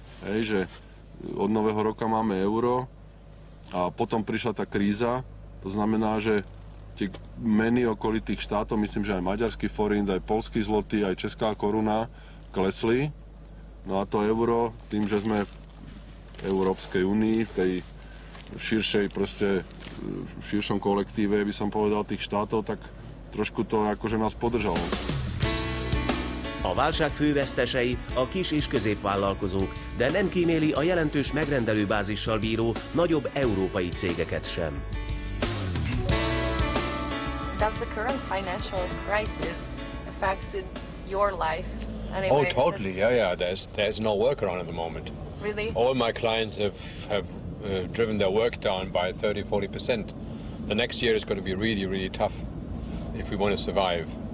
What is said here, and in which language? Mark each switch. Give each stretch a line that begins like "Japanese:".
Slovak: Hej, že od nového roka máme euro a potom prišla tá kríza, to znamená, že tie meny okolitých štátov, myslím, že aj maďarský forint, aj polský zloty, aj česká koruna klesli. No a to euro, tým, že sme v Európskej únii, v tej širšej, proste v širšom kolektíve, by som povedal, tých štátov, tak trošku to akože nás podržalo.
Hungarian: A válság fővesztesei a kis és középvállalkozók, de nem kíméli a jelentős megrendelőbázissal bíró nagyobb európai cégeket sem.
English: Does the current financial crisis affect your life. Anyway, oh, totally. Yeah, yeah. There's no workaround at the moment. Really? All my clients have driven their work down by 30-40%. The next year is going to be really, really tough if we want to survive.